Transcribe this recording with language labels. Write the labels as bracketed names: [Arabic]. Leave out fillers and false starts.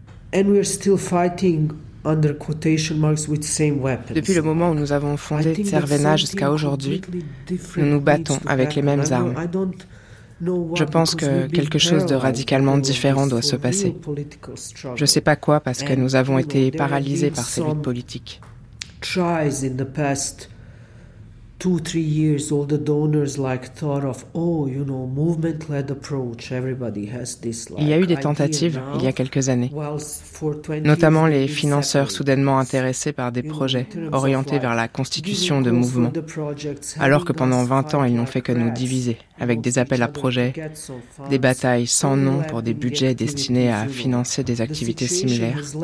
[English] And we're still fighting under quotation marks with same weapons. [French] Depuis le moment où nous avons fondé Crvena jusqu'à aujourd'hui, nous nous battons avec les mêmes armes. Je pense que quelque chose de radicalement différent doit se passer. Je ne sais pas quoi parce que nous avons été paralysés par ces luttes politiques. [English] Tries in the past 2-3 years, all the donors like thought of, oh, you know, movement-led approach. Everybody has this. [French] Il y a eu des tentatives il y a quelques années, notamment les financeurs soudainement intéressés par des projets orientés vers la constitution de mouvements, alors que pendant 20 ans ils n'ont fait que nous diviser avec des appels à projets, des batailles sans nom pour des budgets destinés à financer des activités similaires.